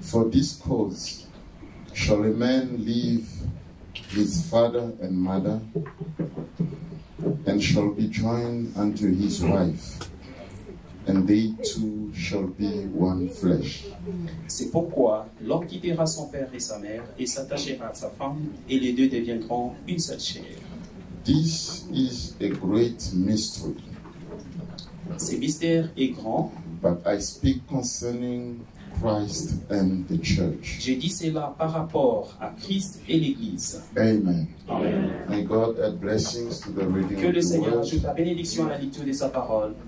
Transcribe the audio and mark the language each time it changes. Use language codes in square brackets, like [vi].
[en] For this cause shall a man leave his father and mother and shall be joined unto his wife, and they two shall be one flesh. [fr] C'est pourquoi l'homme quittera son père et sa mère et s'attachera à sa femme et les deux deviendront une seule chair. [en] This is a great mystery. [fr] Ce mystère est grand. [en] But I speak concerning Christ and the church. [fr] Je dis cela par rapport à Christ et l'Église. [en] Amen. Amen. May God add blessings to the reading. [fr] Que le Seigneur ajoute la bénédiction à la lecture de sa parole.